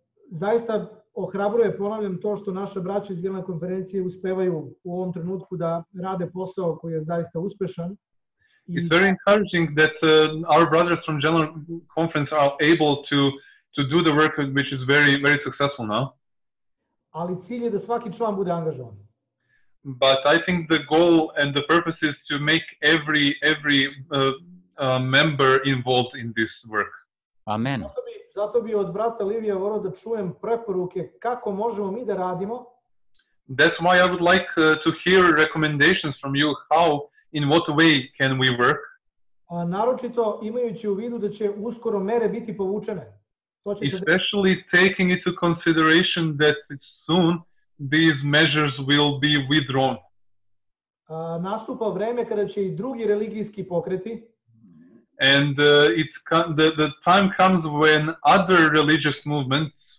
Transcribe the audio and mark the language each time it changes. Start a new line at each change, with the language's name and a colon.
Serbian: Zaista ohrabruje, ponavljam, to što naša braća iz Generalne konferencije uspevaju u ovom trenutku da rade posao koji je zaista uspešan.
English: It's very encouraging that our brothers from General Conference are able to do the work which is very, very successful now.
Serbian: Ali cilj je da svaki član bude angažovan.
English: But I think the goal and the purpose is to make every member involved in this work. Amen.
Serbian: Zato bi od brata Livija voleo da čujem preporuke kako možemo mi da radimo.
English: That's why I would like to hear recommendations from you how, in what way can we work.
Serbian: A naročito imajući u vidu da će uskoro mere biti povučene.
English: Especially taking into consideration that soon these measures will be withdrawn.
Serbian: Nastupa vreme kada će i drugi religijski pokreti.
English: And the time comes when other religious movements,